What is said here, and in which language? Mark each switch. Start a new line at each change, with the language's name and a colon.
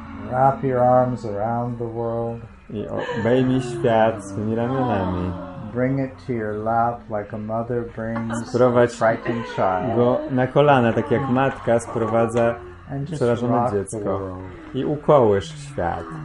English: Wrap your arms around the world.
Polish: I obejmij świat swymi ramionami.
English: Bring it to your lap like a mother brings a frightened child.
Polish: Go na kolana, tak jak matka sprowadza przerażone dziecko. I ukołysz świat.